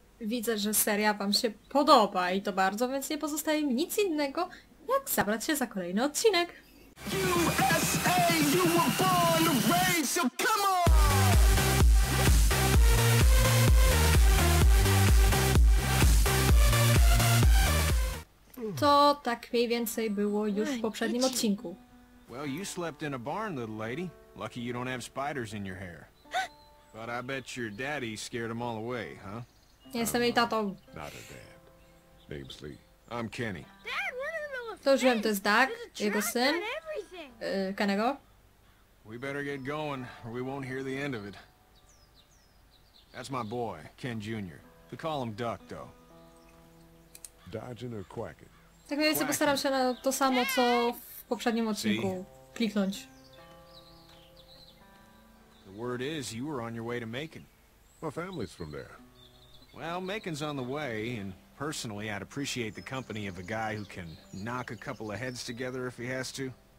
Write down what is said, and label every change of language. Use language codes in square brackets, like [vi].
[pl] Widzę, że seria Wam się podoba i to bardzo, więc nie pozostaje mi nic innego, jak zabrać się za kolejny odcinek. [en] USA, you were born to rain, so come on! [pl] To tak mniej więcej było już w poprzednim odcinku. [en] Well, you slept in a barn, little lady. Lucky you don't have spiders in your hair. But I bet your daddy scared them all away, huh? [pl] Jestem jej tatą. [en] Not a dad. Name's Lee. I'm Kenny. [pl] To już wiem, to jest Doug, jego syn. Kennego. [en] We better get going, or we won't hear the end of it. That's my boy, Ken Jr. We call him Duck, though. Dodging or quacking? [pl] Tak mniej więcej postaram się na to samo, co w poprzednim odcinku. [en] See? [pl] Kliknąć. [en] The word is, you were on your way to Macon. My family's from there. Well, Macon's on the way, and personally, I'd appreciate the company of a guy who can knock a couple of heads together if he has to.